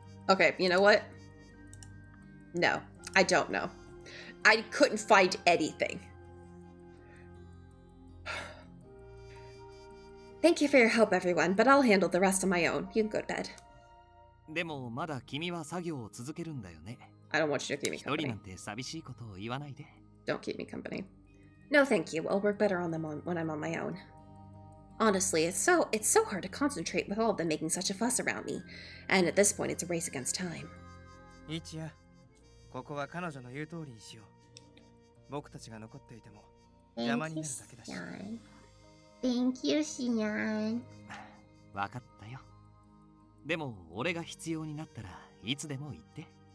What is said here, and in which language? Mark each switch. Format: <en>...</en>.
<en>Okay, you know what? No, I don't know. I couldn't find anything. Thank you for your help, everyone, but I'll handle the rest on my own. You can go to bed.</en> <ja>でもまだ君は作業を続けるんだよね。</ja> <en>I don't want you to keep me company.</en> <ja>一人なんて寂しいことを言わないで。</ja> <en>Don't keep me company. No, thank you. I'll work better on them when I'm on my own. Honestly, it's so hard to concentrate with all of them making such a fuss around me. And at this point, it's a race against time.</en> <ja>イチヤ、ここは彼女の言う通りにしよう。僕たちが残っていても邪魔になるだけだし。</ja> <en>Thank you, シヤン。</en> <ja>わかった。でも俺が必要になったらいつでも言って。</ja>